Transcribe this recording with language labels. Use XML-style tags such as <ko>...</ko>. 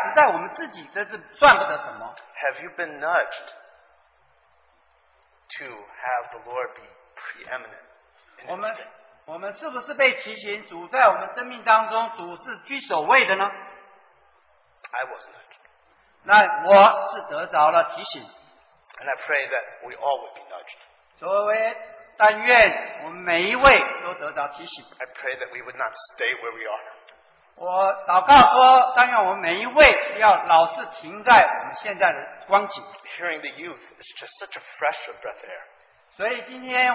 <zh>我们是不是也像刚刚最后这位姊妹交通的，我们被提醒，我们真是除了主之外，实在我们自己真是算不得什么。</zh> <en>Have you been nudged to have the Lord be preeminent?</en> <zh>我们是不是被提醒，主在我们生命当中，主是居首位的呢？</zh> <en>I was nudged.</en> <zh>那我是得着了提醒。And</zh> <en>I pray that we all would be nudged.</en> <zh>所以但愿我们每一位都得着提醒。I</zh> <en>pray that we would not stay where we are.</en> <zh>我祷告说，但愿我们每一位不要老是停在我们现在的光景。Hearing</zh> <en>the youth is just such a fresh breath air.</en>